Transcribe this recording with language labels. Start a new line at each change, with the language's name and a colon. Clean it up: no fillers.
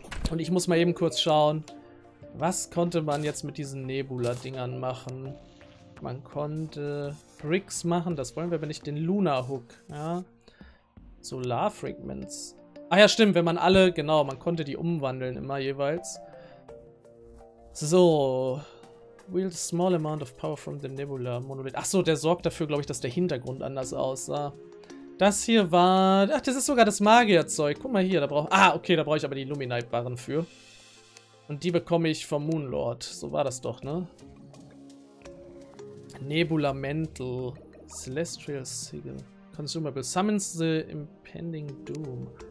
German: Und ich muss mal eben kurz schauen, was konnte man jetzt mit diesen Nebula-Dingern machen? Man konnte Bricks machen, das wollen wir aber nicht, den Luna-Hook, ja. Solar-Fragments. Ah ja, stimmt, wenn man alle, genau, man konnte die umwandeln immer jeweils.
English: So, wield a small amount of power from the Nebula Monolith.
German: Achso, der sorgt dafür, glaube ich, dass der Hintergrund anders aussah. Das hier war, ach, das ist sogar das Magierzeug. Guck mal hier, da brauche, ah, okay, da brauche ich aber die Luminite-Barren für. Und die bekomme ich vom Moonlord. So war das doch, ne?
English: Nebula Mantle, Celestial Sigil, Consumable, summons the impending doom.